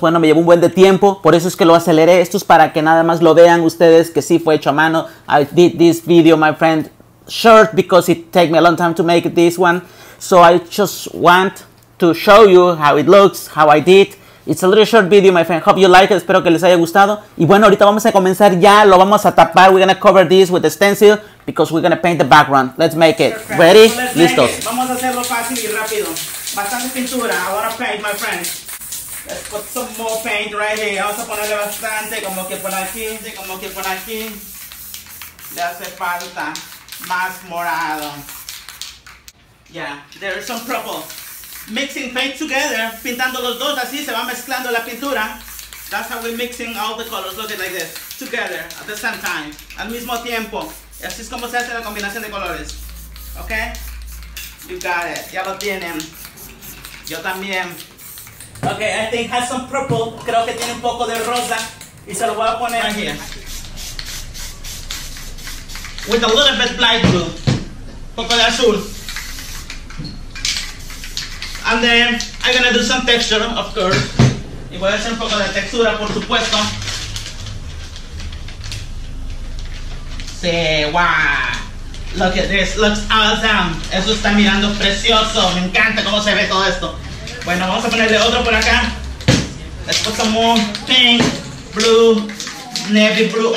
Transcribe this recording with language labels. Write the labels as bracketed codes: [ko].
[es] Bueno, me llevó un buen de tiempo, por eso es que lo aceleré. Esto es para que nada más lo vean ustedes, que sí fue hecho a mano. [en] I did this video, my friend, short, because it take me a long time to make this one. So I just want to show you how it looks, how I did. It's a little short video, my friend. Hope you like it. [es] Espero que les haya gustado. Y bueno, ahorita vamos a comenzar ya. Lo vamos a tapar. [en] We're gonna cover this with a stencil because we're gonna paint the background. Let's make it. Perfect. Ready? So [es] listo. Vamos a hacerlo fácil y rápido. Bastante pintura. [en] I wanna paint, my friend. Let's put some more paint right here. [es] Vamos a ponerle bastante, como que por aquí, como que por aquí. Le hace falta más morado. [en] Yeah, there is some purple. Mixing paint together, [es] pintando los dos así, se va mezclando la pintura. [en] That's how we're mixing all the colors, looking like this. Together, at the same time. [es] Al mismo tiempo. Así es como se hace la combinación de colores. [en] Okay? You got it. [es] Ya lo tienen. Yo también. [en] Okay, I think has some purple. [es] Creo que tiene un poco de rosa. Y se lo voy a poner [en] right [es] aquí. [en] With a little bit light blue. [es] Un poco de azul. [en] And then, I'm gonna do some texture, of course. [es] Y voy a hacer un poco de textura, por supuesto. [en] Sí, wow. Look at this, looks awesome. [es] Eso está mirando precioso. Me encanta cómo se ve todo esto. Bueno, vamos a ponerle otro por acá. [en] Let's put some more pink, blue, navy blue.